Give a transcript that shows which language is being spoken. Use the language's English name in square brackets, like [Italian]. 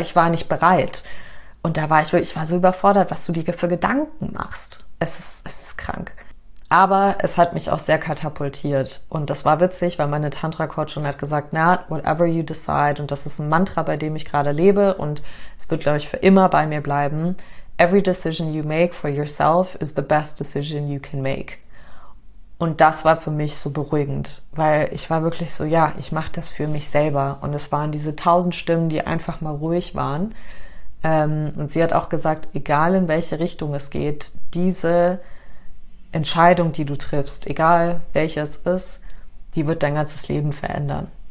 [German] Ich war nicht bereit. Und da war ich wirklich, ich war so überfordert, was du dir für Gedanken machst. Es ist krank. Aber es hat mich auch sehr katapultiert. Und das war witzig, weil meine Tantra-Coachin hat gesagt, na, [English] whatever you decide, [German] und das ist ein Mantra, bei dem ich gerade lebe, und es wird, glaube ich, für immer bei mir bleiben. [English] Every decision you make for yourself is the best decision you can make. [German] Und das war für mich so beruhigend, weil ich war wirklich so, ja, ich mache das für mich selber. Und es waren diese tausend Stimmen, die einfach mal ruhig waren. Und sie hat auch gesagt, egal in welche Richtung es geht, diese Entscheidung, die du triffst, egal welche es ist, die wird dein ganzes Leben verändern.